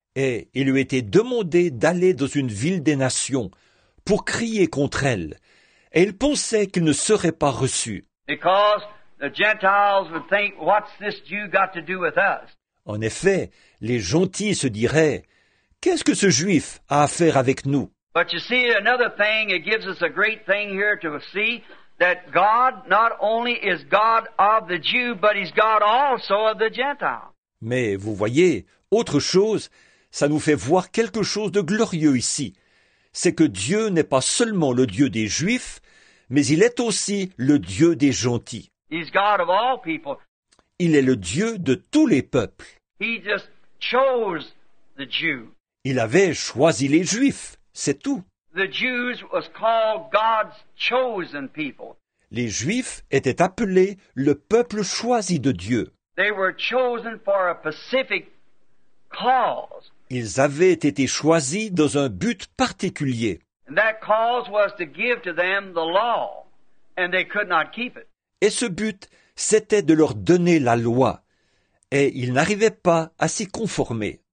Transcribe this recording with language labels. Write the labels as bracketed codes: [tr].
[fr] Et il lui était demandé d'aller dans une ville des nations pour crier contre elle, et il pensait qu'il ne serait pas reçu. [en] Because the Gentiles would think, what's this Jew got to do with us? [fr] En effet, les gentils se diraient, « Qu'est-ce que ce juif a à faire avec nous? [en] But you see, another thing, it gives us a great thing here to see that God not only is God of the Jew, but he's God also of the Gentile. [fr] Mais vous voyez, autre chose, ça nous fait voir quelque chose de glorieux ici. C'est que Dieu n'est pas seulement le Dieu des Juifs, mais il est aussi le Dieu des gentils. [en] He's God of all people. [fr] Il est le Dieu de tous les peuples. [en] He just chose the Jew. [fr] Il avait choisi les Juifs, c'est tout. [en] The Jews was called God's chosen people. [fr] Les Juifs étaient appelés le peuple choisi de Dieu. [en] They were chosen for a specific cause. [fr] Ils avaient été choisis dans un but particulier. [en] And that cause was to give to them the law, and they could not keep it. [fr] Et ce but, c'était de leur donner la loi, et ils n'arrivaient pas à s'y conformer.